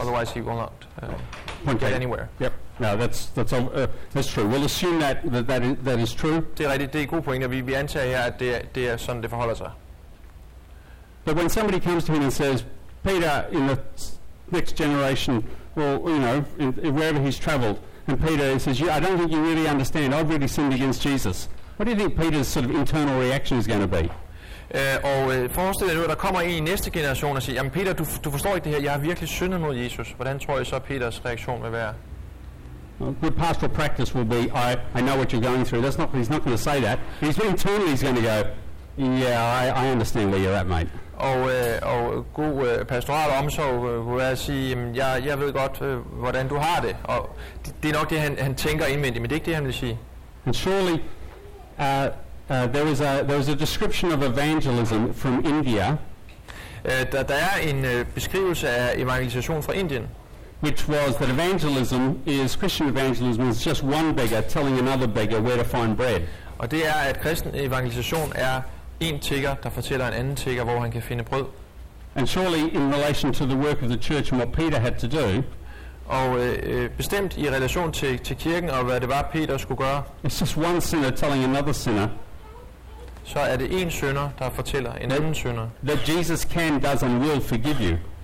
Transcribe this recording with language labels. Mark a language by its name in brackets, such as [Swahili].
[English] Otherwise, he will not get anywhere. Yep. No, that's true. We'll assume that is true. [Danish] Det er rigtigt. Det er et godt point, at vi antager her, at det er sådan, det forholder sig. [English] But when somebody comes to him and says, Peter, in the next generation, or you know, wherever he's travelled, and Peter says, yeah, I don't think you really understand. I've really sinned against Jesus. What do you think Peter's sort of internal reaction is going to be? [Danish] Forestil dig nu, at der kommer en i næste generation og siger, jamen Peter, du forstår ikke det her, jeg har virkelig syndet mod Jesus. Hvordan tror I så, Peters reaktion vil være? [English] Good pastoral practice will be, I know what you're going through. That's not, he's not going to say that. He's internally going to go, yeah, I understand where you're at, mate. [Danish] Og god pastoral omsorg vil være at sige, jamen jeg ved godt, hvordan du har det. Og det er nok det, han tænker indvendigt, men det er ikke det, han vil sige. [English] And surely, there was a description of evangelism from India. [Danish] Der er en beskrivelse af evangelisation fra Indien, [English] which was that evangelism is Christian evangelism is just one beggar telling another beggar where to find bread. [Danish] Og det er at kristen evangelisation er en tigger der fortæller en anden tigger hvor han kan finde brød. [English] And surely in relation to the work of the church and what Peter had to do. [Danish] Og bestemt i relation til kirken og hvad det var Peter skulle gøre. [English] It's just one sinner telling another sinner. [Danish] Så er det en synder, der fortæller en anden synder. [English] That Jesus can, does, and will forgive you.